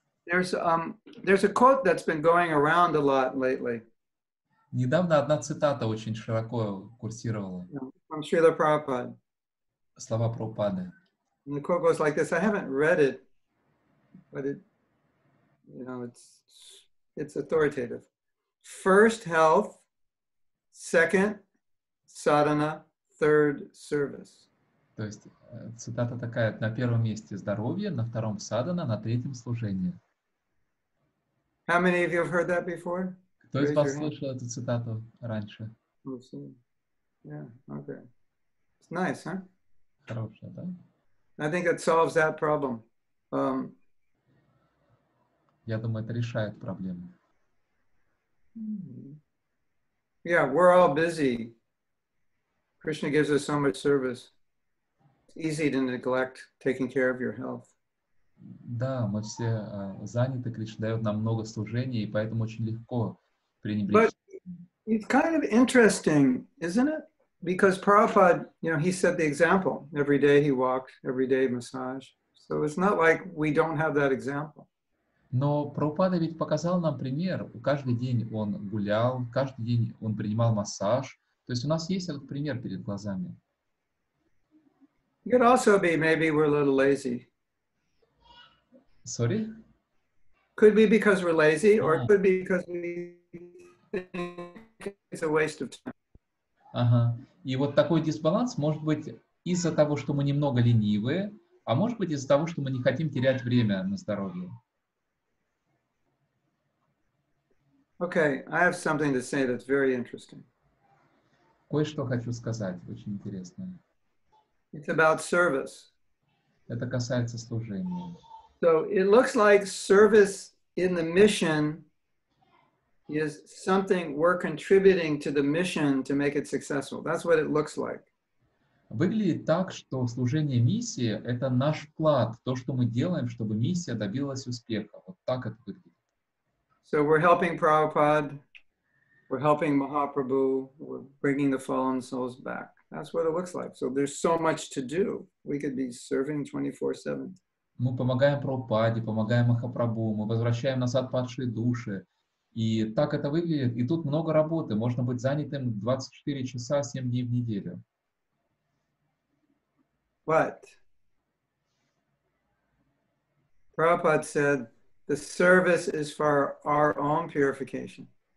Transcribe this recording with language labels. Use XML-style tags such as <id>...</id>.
<en>There's a quote that's been going around a lot lately.</en> <ru>Недавно одна цитата очень широко курсировала.</ru> <en>From Srila Prabhupada.</en> <ru>Слова Прабхупады.</ru> <en>And the quote goes like this. I haven't read it, but it's authoritative. First health, second sadhana, third service.</en> <ru>То есть цитата такая: на первом месте здоровье, на втором садхана, на третьем служение.</ru> <en>How many of you have heard that before?</en> <ru>Кто из вас слышал эту цитату раньше?</ru> <en>Yeah, okay. It's nice, huh?</en> <ru>Хорошая, да?</ru> <en>I think it solves that problem.</en> <ru>Я думаю, это решает проблему.</ru> <en>Yeah, we're all busy. Krishna gives us so much service. It's easy to neglect taking care of your health.</en> <ru>Да, мы все заняты, Кришна дает нам много служений, и поэтому очень легко пренебречь.</ru> <en>But it's kind of interesting, isn't it? Because Prabhupada, you know, he set the example. Every day he walked, every day massage. So it's not like we don't have that example.</en> <ru>Но Прабхупада ведь показал нам пример. Каждый день он гулял, каждый день он принимал массаж. То есть у нас есть этот пример перед глазами.</ru> <en>It could also be maybe we're a little lazy. Sorry? Could be because we're lazy, or it could be because we think it's a waste of time. Ага.</en> <ru>И вот такой дисбаланс может быть из-за того, что мы немного ленивые, а может быть из-за того, что мы не хотим терять время на здоровье.</ru> <en>Okay, I have something to say that's very interesting.</en> <ru>Кое-что хочу сказать, очень интересное.</ru> <en>It's about service.</en> <ru>Это касается служения.</ru> <en>So it looks like service in the mission is something we're contributing to the mission to make it successful. That's what it looks like.</en> <ru>Выглядит так, что служение миссии — это наш вклад, то, что мы делаем, чтобы миссия добилась успеха. Вот так это выглядит.</ru> <en>So we're helping Prabhupada, we're helping Mahaprabhu, we're bringing the fallen souls back. That's what it looks like. So there's so much to do. We could be serving 24/7.</en> <ru>Мы помогаем Прабхупаде, помогаем Махапрабху, мы возвращаем назад падшие души. И так это выглядит. И тут много работы. Можно быть занятым 24 часа, 7 дней в неделю.</ru> <en>But Prabhupada said, the service is for our own purification.</en>